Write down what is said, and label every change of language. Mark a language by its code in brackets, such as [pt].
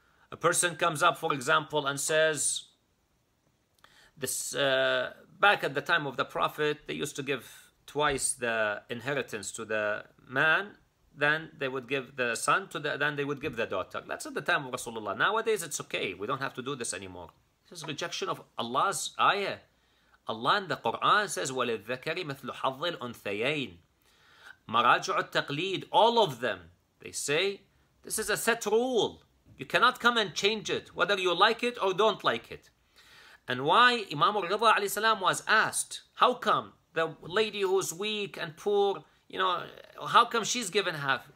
[en] A person comes up, for example, and says, back at the time of the Prophet, they used to give twice the inheritance to the man, then they would give the son to the, then they would give the daughter. That's at the time of Rasulullah. Nowadays, it's okay. We don't have to do this anymore. This is rejection of Allah's ayah. Allah in the Quran says, [ar] وَلِلذَّكَرِ مِثْلُ حَظِّ الْأُنْثَيَيْنِ مَرَاجُعُ التَّقْلِيدِ. [en] All of them, they say, this is a set rule. You cannot come and change it, whether you like it or don't like it. And why Imam al-Ridha alayhi salam was asked, how come the lady who's weak and poor, you know, how come she's given half?